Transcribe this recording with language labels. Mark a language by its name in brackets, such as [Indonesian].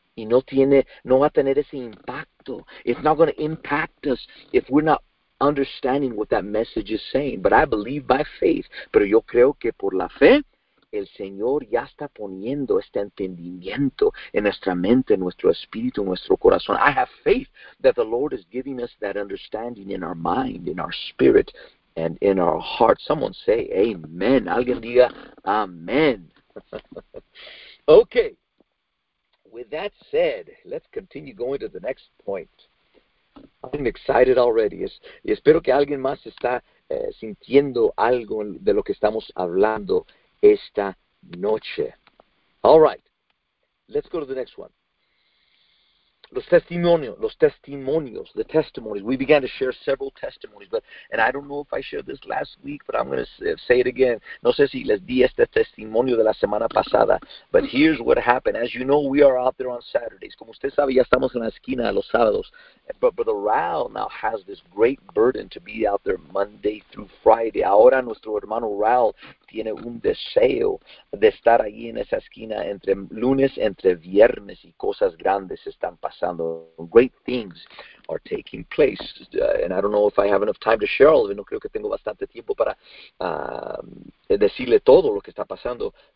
[Spanish] y no tiene, no va a tener ese impacto. [English] It's not going to impact us if we're not understanding what that message is saying. But I believe by faith, [Spanish] pero yo creo que por la fe, el Señor ya está poniendo este entendimiento en nuestra mente, en nuestro espíritu, en nuestro corazón. [English] I have faith that the Lord is giving us that understanding in our mind, in our spirit, and in our heart. Someone say amen. [Spanish] Alguien diga amen. [English] Okay. With that said, let's continue going to the next point. I'm excited already. [Spanish] Y espero que alguien más está sintiendo algo de lo que estamos hablando esta noche. [English] All right. Let's go to the next one. [Spanish] Los testimonios, [English] the testimonies. We began to share several testimonies, but and I don't know if I shared this last week, but I'm going to say it again. [Spanish] No sé si les di este testimonio de la semana pasada, [English] but here's what happened. As you know, we are out there on Saturdays. [Spanish] Como usted sabe, ya estamos en la esquina de los sábados. [English] But Brother Raul now has this great burden to be out there Monday through Friday. [Spanish] Ahora nuestro hermano Raul tiene un deseo de estar ahí en esa esquina entre lunes, entre viernes, y cosas grandes están pasando. [English] Great things are taking place. And I don't know if I have enough time to share all of it. [Spanish] No creo que tengo bastante tiempo para decirle todo lo que está pasando.